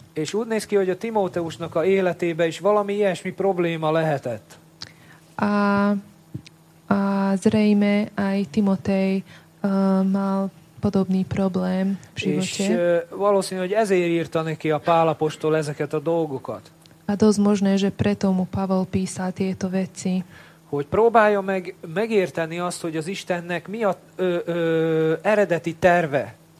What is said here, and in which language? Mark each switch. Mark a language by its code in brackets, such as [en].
[hu] És úgy néz ki, hogy a Timóteusnak a életében is valami ilyesmi probléma lehetett. [sk] A zrejme aj Timotej mal podobný problém v živote. [hu] És valószínű, hogy ezért írta neki a Pál apostol ezeket a dolgokat. [sk] A dosť možné, že preto mu Pavel písal tieto veci. [hu] Hogy próbálja megérteni azt, hogy az Istennek mi a eredeti terve.